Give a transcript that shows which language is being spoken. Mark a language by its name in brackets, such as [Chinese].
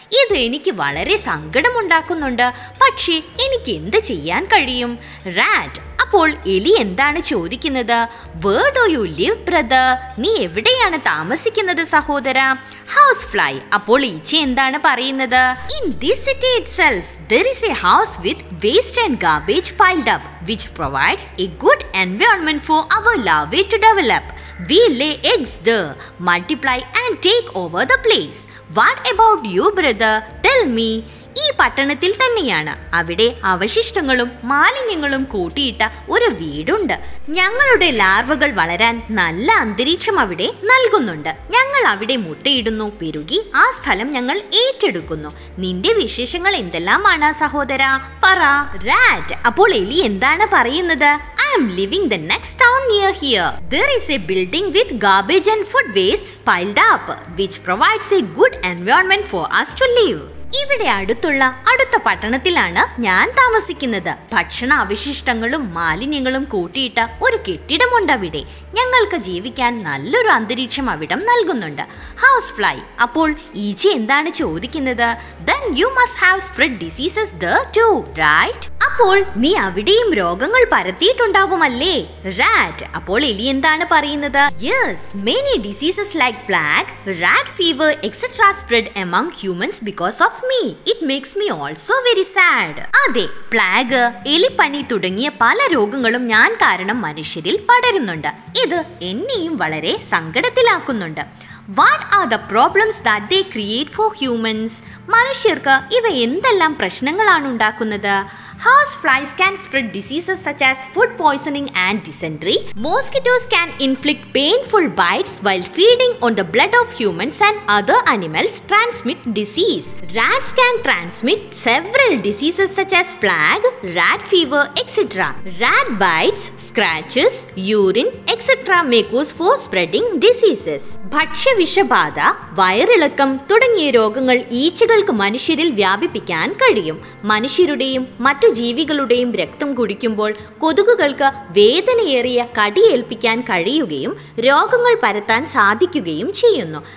[Malayalam] ഇത് എനിക്ക് വളരെ സങ്കടമുണ്ടാക്കുന്നുണ്ട്. പക്ഷേ എനിക്ക് എന്ത് ചെയ്യാൻ കഴിയും? റാറ്റ്: അപ്പോൾ എലി എന്താണ് ചോദിക്കുന്നത്? [English] where do you live brother, [Malayalam] നീ എവിടെയാണ് താമസിക്കുന്നത് സഹോദര? ഹൗസ് ഫ്ലൈ: അപ്പോൾ ഈച്ച എന്താണ് പറയുന്നത്? [English] In this city itself there is a house with waste and garbage piled up, which provides a good environment for our larvae to develop. We lay eggs there, multiply and take over the place. What about you, brother? Tell me. [Malayalam] ഈ പട്ടണത്തിൽ തന്നെയാണ്. അവിടെ അവശിഷ്ടങ്ങളും മാലിന്യങ്ങളും കൂട്ടിയിട്ട ഒരു വീടുണ്ട്. ഞങ്ങളുടെ ലാർവകൾ വളരാൻ നല്ല അന്തരീക്ഷം അവിടെ നൽകുന്നുണ്ട്. ഞങ്ങൾ അവിടെ മുട്ടയിടുന്നു, പെരുകി ആ സ്ഥലം ഞങ്ങൾ ഏറ്റെടുക്കുന്നു. നിന്റെ വിശേഷങ്ങൾ എന്തെല്ലാമാണ് സഹോദര? പറ. റാറ്റ്: അപ്പോൾ എലി എന്താണ് പറയുന്നത്? [English] I am living the next town near here. There is a building with garbage and food wastes piled up, which provides a good environment for us to live. [Malayalam] ഇവിടെ അടുത്ത പട്ടണത്തിലാണ് ഞാൻ താമസിക്കുന്നത്. ഭക്ഷണ അവശിഷ്ടങ്ങളും മാലിന്യങ്ങളും കൂട്ടിയിട്ട ഒരു കെട്ടിടമുണ്ട് അവിടെ. ഞങ്ങൾക്ക് ജീവിക്കാൻ നല്ലൊരു അന്തരീക്ഷം അവിടം നൽകുന്നുണ്ട്. [English] house fly: [Malayalam] അപ്പോൾ ഈച്ച എന്താണ് ചോദിക്കുന്നത്? [English] Then you must have spread diseases there too, right? [Malayalam] അപ്പോൾ നീ അവിടെയും രോഗങ്ങൾ പരത്തിയിട്ടുണ്ടാവുമല്ലേ? [English] rat: [Malayalam] അപ്പോൾ എലി എന്താണ് പറയുന്നത്? [English] Yes, many diseases like plague, rat fever, etcetera spread among humans because of me. It makes me also very sad. [Malayalam] അതെ, പ്ലാഗ്, എലിപ്പനി തുടങ്ങിയ പല രോഗങ്ങളും ഞാൻ കാരണം മനുഷ്യരിൽ പടരുന്നുണ്ട്. ഇത് എന്നെയും വളരെ സങ്കടത്തിലാക്കുന്നുണ്ട്. [English] What are the problems that they create for humans? [Malayalam] മനുഷ്യർക്ക് ഇവ എന്തെല്ലാം പ്രശ്നങ്ങളാണ് ഉണ്ടാക്കുന്നത്? [English] House flies can spread diseases such as food poisoning and dysentery. Mosquitoes can inflict painful bites while feeding on the blood of humans and other animals, transmit disease. Rats can transmit several diseases such as plague, rat fever, etc. Rat bites, scratches, urine, etc. may cause for spreading diseases. [Malayalam] ഭക്ഷ്യ വിഷബാധ, വയറിളക്കം തുടങ്ങിയ രോഗങ്ങൾ ഈച്ചകൾക്ക് മനുഷ്യരിൽ വ്യാപിപ്പിക്കാൻ കഴിയും. മനുഷ്യരുടെയും മറ്റു ജീവികളുടെയും രക്തം കുടിക്കുമ്പോൾ കൊതുകുകൾക്ക് വേദനയേറിയ കടിയേൽപ്പിക്കാൻ കഴിയുകയും രോഗങ്ങൾ പരത്താൻ സാധിക്കുകയും ചെയ്യുന്നു.